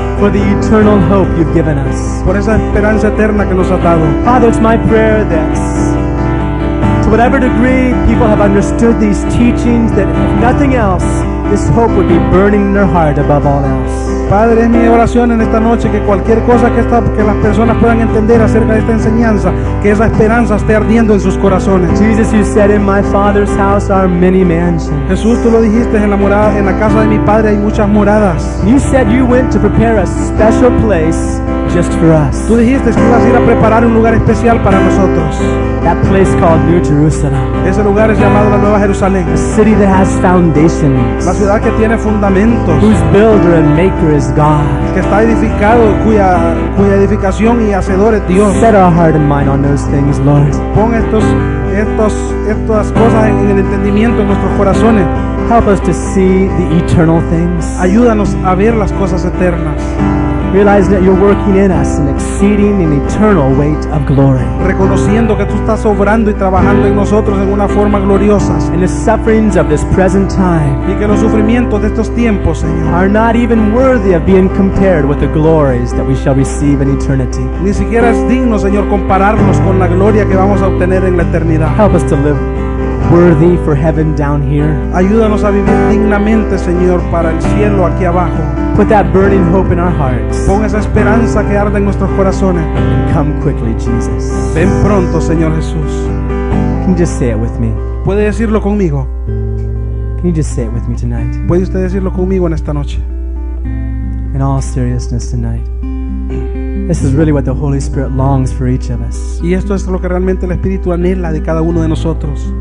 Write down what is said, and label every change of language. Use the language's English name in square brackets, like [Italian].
[English] For the eternal hope you've given us. [Spanish] Por esa esperanza eterna que nos has dado. [English] Father, it's my prayer that to whatever degree people have understood these teachings, that if nothing else, this hope would be burning in their heart above all else. [Spanish] Padre, es mi oración en esta noche que cualquier cosa que las personas puedan entender acerca de esta enseñanza, que esa esperanza esté ardiendo en sus corazones. [English] Jesus, you said, in my Father's house are many mansions. [Spanish] Jesús, tú lo dijiste, en la casa de mi Padre hay muchas moradas. [English] You said you went to prepare a special place just for us. [Spanish] Tú dijiste que ibas a ir a preparar un lugar especial para nosotros. [English] That place called New Jerusalem. [Spanish] Ese lugar es llamado la Nueva Jerusalén. [English] A city that has foundations. [Spanish] La ciudad que tiene fundamentos. [English] Whose builder and maker is God. [Spanish] Que está edificado, cuya edificación y hacedor es Dios. [English] Set our heart and mind on those things, Lord. [Spanish] Pon estas cosas en el entendimiento en nuestros corazones. [English] Help us to see the eternal things. [Spanish] Ayúdanos a ver las cosas eternas. [English] Realize that you're working in us an exceeding and eternal weight of glory. [Spanish] Reconociendo que tú estás obrando y trabajando en nosotros en una forma gloriosa. [English] In the sufferings of this present time. [Spanish] Y que los sufrimientos de estos tiempos, Señor, [English] are not even worthy of being compared with the glories that we shall receive in eternity. [Spanish] Ni siquiera es digno, Señor, compararnos con la gloria que vamos a obtener en la eternidad. [English] Help us to live worthy for heaven down here. [Spanish] Ayúdanos a vivir dignamente, Señor, para el cielo aquí abajo. [English] Put that burning hope in our hearts. [Spanish] Pon esa esperanza que arde en nuestros corazones. [English] And come quickly, Jesus. [Spanish] Ven pronto, Señor Jesús. [English] Can you just say it with me? [Spanish] ¿Puede decirlo conmigo? [English] Can you just say it with me tonight? [Spanish] ¿Puede usted decirlo conmigo en esta noche? [English] In all seriousness tonight. This is really what the Holy Spirit longs for each of us. [Spanish] Y esto es lo que realmente el Espíritu anhela de cada uno de nosotros.